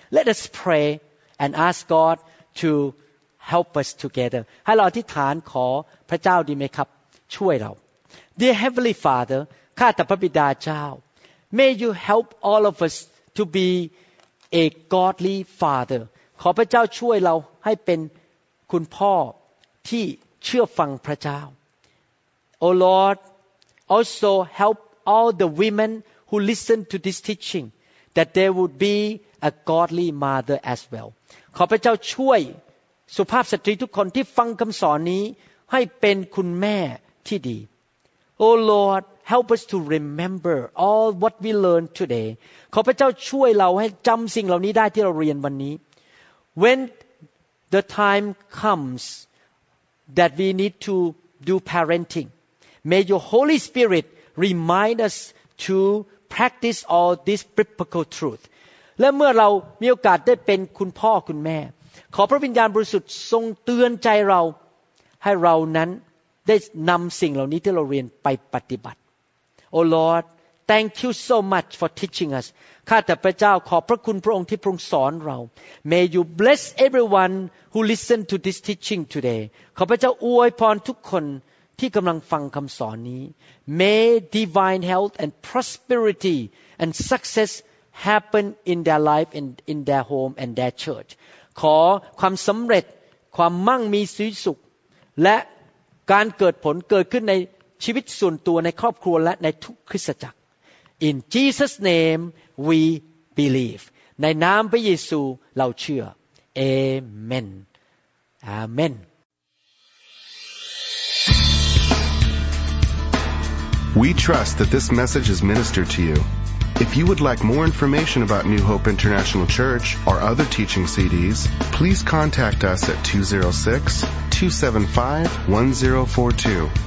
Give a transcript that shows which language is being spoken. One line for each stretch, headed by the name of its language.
English: Let us pray and ask God to help us together.
Thai: ให้เราอธิษฐานขอพระเจ้าดีไหมครับช่วยเรา
English: Dear Heavenly Father,
Thai: ข้าแต่พระบิดาเจ้า
English: May you help all of us to beA godly father.
Thai: ขอพระเจ้าช่วยเราให้เป็นคุณพ่อที่เชื่อฟังพระเจ้า
English: Oh Lord, also help all the women who listen to this teaching that they would be a godly mother as well.
Thai: ขอพระเจ้าช่วยสุภาพสตรีทุกคนที่ฟังคำสอนนี้ให้เป็นคุณแม่ที่ดี
English: Oh Lord,Help us to remember all what we learned today.
Thai: ขอพระเจ้าช่วยเราให้จำสิ่งเหล่านี้ได้ที่เราเรียนวันนี้
English: When the time comes that we need to do parenting, may your Holy Spirit remind us to practice all this biblical truth.
Thai: และเมื่อเรามีโอกาสได้เป็นคุณพ่อคุณแม่ขอพระวิญญาณบริสุทธิ์ทรงเตือนใจเราให้เรานั้นได้นำสิ่งเหล่านี้ที่เราเรียนไปปฏิบัติ
English: Oh Lord, thank you so much for teaching us.
Thai: ข้าแต่พระเจ้าขอพระคุณพระองค์ที่พระองค์สอนเรา
English: May you bless everyone who listened to this teaching today.
Thai: ขอพระเจ้าอวยพรทุกคนที่กำลังฟังคำสอนนี้
English: May divine health and prosperity and success happen in their life and in their home and their church.
Thai: ขอความสำเร็จความมั่งมีสุขและการเกิดผลเกิดขึ้นในชีวิตส่วนตัวในครอบครัวและในทุกคริสตจักร
English: In Jesus name we believe
Thai: ในนามพระเยซูเราเชื่อ
English: Amen Amen We trust that this message is ministered to you. If you would like more information about New Hope International Church or other teaching CDs, please contact us at 206-275-1042.